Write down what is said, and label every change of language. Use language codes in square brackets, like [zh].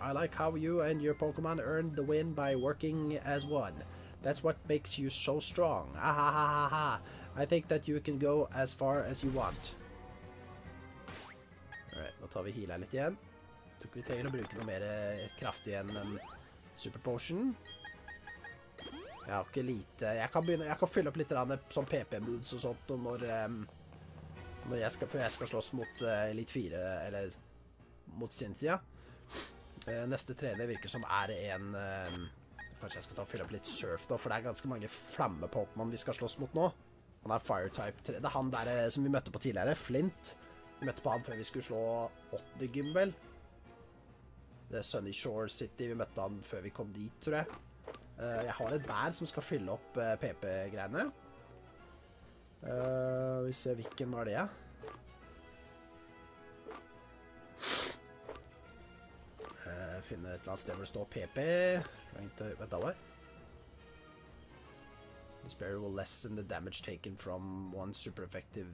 [en] I like how you and your Pokemon earned the win by working as one. That's what makes you so strong. Ah ha ha ha ha. I think that you can go as far as you want. [no] Alright, nå tar vi heal her litt igjen. Tror vi trenger å bruke noe mer kraftig enn en super potion. Jeg har ikke lite... Jeg kan fylle opp litt sånn PP-moves og sånt, og når... Før jeg skal slåss mot Elite 4, eller mot Cynthia. Neste trener virker som er en... kanskje jeg skal ta og fylle opp litt surf da, for det er ganske mange flamme-pokémon vi skal slåss mot nå. Han er Fire-type 3. Det er han der som vi møtte på tidligere, Flint. Vi møtte på han før vi skulle slå 8. gym, vel? Det er Sunny Shore City. Vi møtte han før vi kom dit, tror jeg. Jeg har et bær som skal fylle opp PP-greiene. Vi ser hvilken var det, ja. Finne et eller annet sted hvor det står PP. Vent da, hva? [en] This barrier will lessen the damage taken from one super effective.